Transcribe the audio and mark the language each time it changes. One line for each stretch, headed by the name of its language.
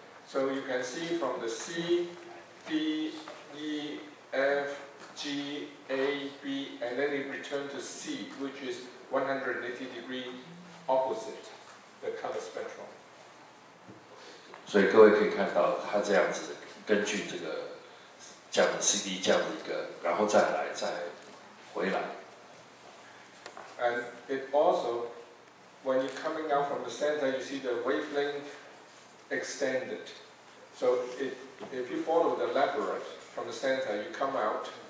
English: So you can see from the C, D, E, F, G, A, B, and then it returns to C, which is 180 degrees opposite the color spectrum.
Chinese: 所以各位可以看到，它这样子根据这个这样的 CD 这样的一个，然后再来再回来。
English: And it also when you're coming out from the center, you see the wavelength extended. So if you follow the labyrinth from the center, you come out.